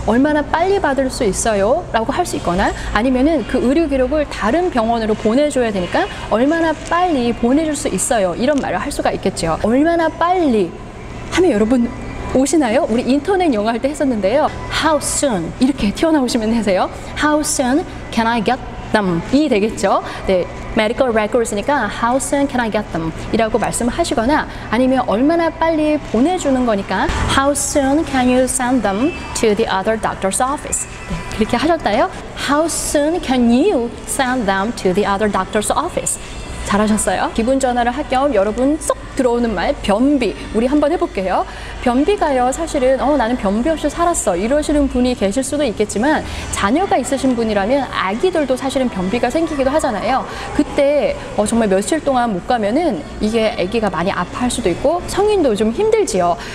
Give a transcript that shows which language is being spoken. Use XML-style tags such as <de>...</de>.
<ko>얼마나 빨리 받을 수 있어요 라고 할 수 있거나 아니면은 그 의료 기록을 다른 병원으로 보내줘야 되니까 얼마나 빨리 보내줄 수 있어요 이런 말을 할 수가 있겠죠. 얼마나 빨리 하면 여러분 오시나요? 우리 인터넷 영어 할 때 했었는데요.</ko> <en>How soon?</en> <ko>이렇게 튀어나오시면 되세요.</ko> <en>How soon can I get them?</en> <ko>이 되겠죠?</ko> <en>네, medical records니까 How soon can I get them?</en> <ko>이라고 말씀을 하시거나 아니면 얼마나 빨리 보내주는 거니까</ko> <en>How soon can you send them to the other doctor's office?</en> <ko>네, 그렇게 하셨다요?</ko> <en>How soon can you send them to the other doctor's office?</en> <ko>잘하셨어요. 기분 전화를 할 겸 여러분 쏙 들어오는 말 변비 우리 한번 해볼게요. 변비가요 사실은 나는 변비 없이 살았어 이러시는 분이 계실 수도 있겠지만 자녀가 있으신 분이라면 아기들도 사실은 변비가 생기기도 하잖아요. 그때 정말 며칠 동안 못 가면은 이게 아기가 많이 아파할 수도 있고 성인도 좀 힘들지요.</ko>